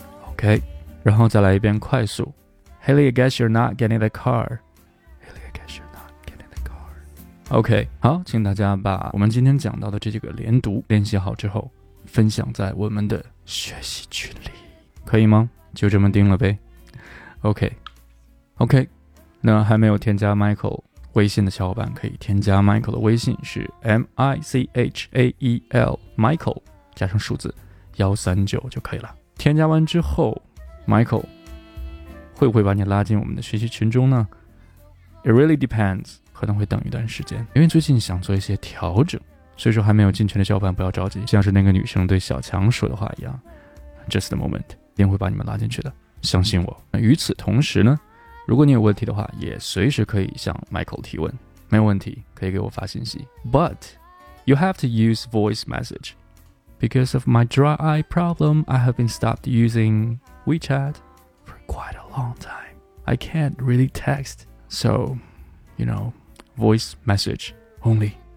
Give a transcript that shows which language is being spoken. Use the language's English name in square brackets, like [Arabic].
[Chinese] OK， 然后再来一遍快速。 [English] Haley, I guess you're not getting the car. Haley, I guess you're not getting the car. [Chinese] OK， 好，请大家把我们今天讲到的这几个连读练习好之后分享在我们的学习群里，可以吗？就这么定了呗。 OK OK， 那还没有添加 Michael 微信的小伙伴可以添加 Michael 的微信，是 M-I-C-H-A-E-L Michael 加上数字139就可以了。添加完之后 Michael 会不会把你拉进我们的学习群中呢？ [English] It really depends， [Chinese] 可能会等一段时间，因为最近想做一些调整，所以说还没有进群的小伙伴不要着急，像是那个女生对小强说的话一样， [English] Just a moment， [Chinese] 一定会把你们拉进去的，相信我。与此同时呢，如果你有问题的话也随时可以向 Michael 提问，没有问题可以给我发信息。 [English] But you have to use voice message because of my dry eye problem. I have been stopped using WeChat for quite a long time. I can't really text, soYou know, voice message only.